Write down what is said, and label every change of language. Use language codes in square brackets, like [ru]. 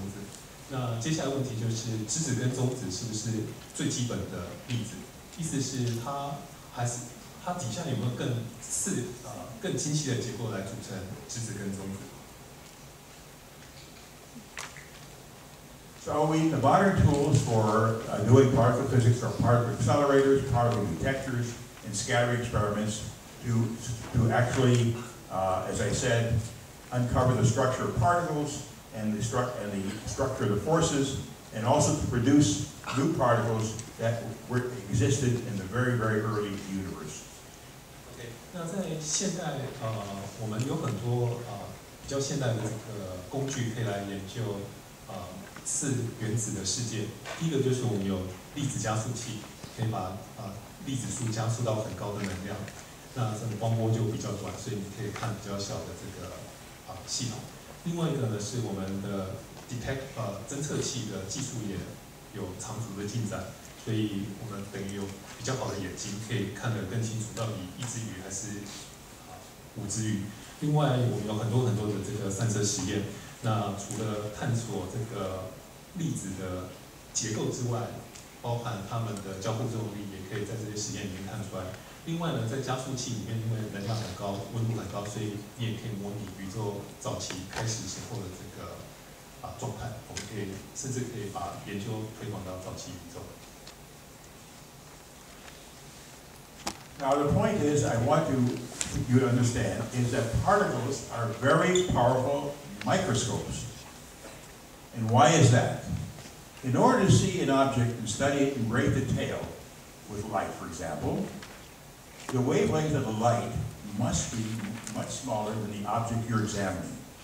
[zh] 随着这个实验的进展呢，大家就发现其实原子核事实上是由这个质子跟中子所构成的。质子在1919年由这个拉塞福发现，1932年是这个查德瑞克发现中子。那接下来问题就是质子跟中子是不是最基本的粒子？意思是它还是它底下有没有更次更精细的结构来组成质子跟中子。 [en] So we, the modern tools for doing particle physics are particle accelerators, particle detectors, and scattering experiments to actually, as I said, uncover the structure of particles and the structure of the forces, and also to produce new particles that were, existed in the very, very early universe. [zh] Okay, 那在现代我们有很多比较现代的工具可以来研究次原子的世界。第一个就是我们有粒子加速器，可以把粒子速加速到很高的能量，那这个光波就比较短，所以你可以看比较小的这个系统。另外一个呢是我们的 detect 侦测器的技术也有长足的进展，所以我们等于有比较好的眼睛，可以看得更清楚到底一只鱼还是五只鱼。另外我们有很多很多的这个散射实验。那除了探索这个粒子的结构之外，包含它们的交互作用力，也可以在这些实验里面看出来。另外呢，在加速器里面，因为能量很高，温度很高，所以你也可以模拟宇宙早期开始时候的这个状态。我们可以甚至可以把研究推广到早期宇宙。 [en] Now the point is, I want you to understand is that particles are very powerful. Microscopes. And why is that? In order to see an object and study it in great detail, with light for example, the wavelength of the light must be much smaller than the object you're examining.